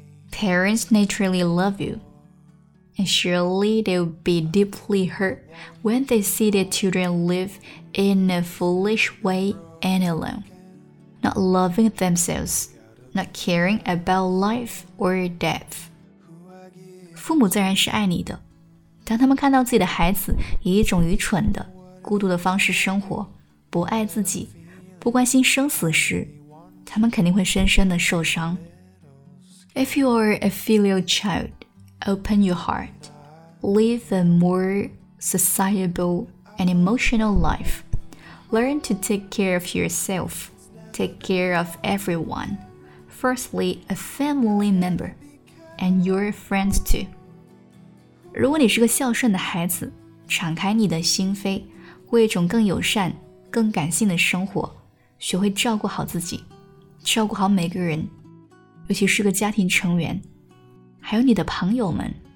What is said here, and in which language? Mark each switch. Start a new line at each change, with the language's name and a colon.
English: Parents naturally love you, and surely they'll be deeply hurt when they see their children live in a foolish way and alone, not loving themselves, not caring about life or death.
Chinese: 父母自然是爱你的，当他们看到自己的孩子以一种愚蠢的、孤独的方式生活，不爱自己，不关心生死时，他们肯定会深深的受伣。
English: If you are a filial child, open your heart, live a more sociable and emotional life. Learn to take care of yourself, take care of everyone. Firstly, a family member, and your friends too.
Chinese: 如果你是个孝顺的孩子，敞开你的心扉，过一种更友善、更感性的生活，学会照顾好自己，照顾好每个人，尤其是个家庭成员，还有你的朋友们。